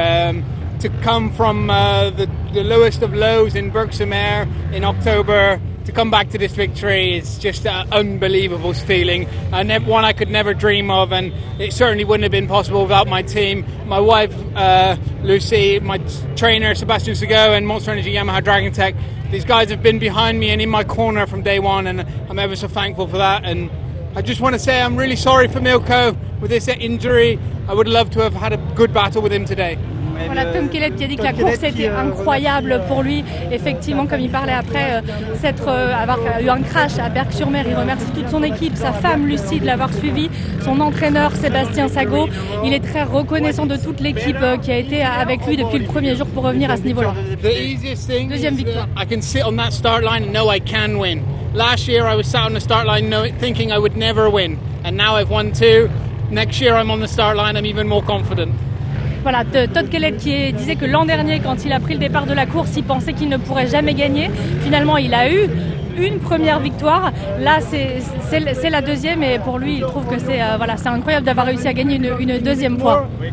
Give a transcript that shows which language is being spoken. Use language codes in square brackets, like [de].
[en] To come from the lowest of lows in Berck-sur-Mer in October, to come back to this victory is just an unbelievable feeling, and one I could never dream of, and it certainly wouldn't have been possible without my team, my wife Lucy, my trainer Sebastian Sago, and Monster Energy Yamaha Dragon Tech. These guys have been behind me and in my corner from day one, and I'm ever so thankful for that. And I just want to say I'm really sorry for Milko with this injury. I would love to have had a good battle with him today. [fr] Voilà, Tom Kellett qui a dit que la course était incroyable pour lui. Effectivement, comme il parlait après avoir eu un crash à Berck-sur-Mer, il remercie toute son équipe, sa femme Lucie de l'avoir suivi, son entraîneur Sébastien Sago. Il est très reconnaissant de toute l'équipe qui a été avec lui depuis le premier jour pour revenir à ce niveau-là. Deuxième victoire. [en] I can sit on that start line and know I can win. Last year I was sat on the start line thinking I would never win. And now I've won two. Next year I'm on the start line, I'm even more confident. [fr] voilà, Todd Kellett qui disait que l'an dernier, quand il a pris le départ de la course, il pensait qu'il ne pourrait jamais gagner. Finalement, il a eu une première victoire. Là, c'est la deuxième, et pour lui, il trouve que c'est voilà, c'est incroyable d'avoir réussi à gagner une deuxième fois.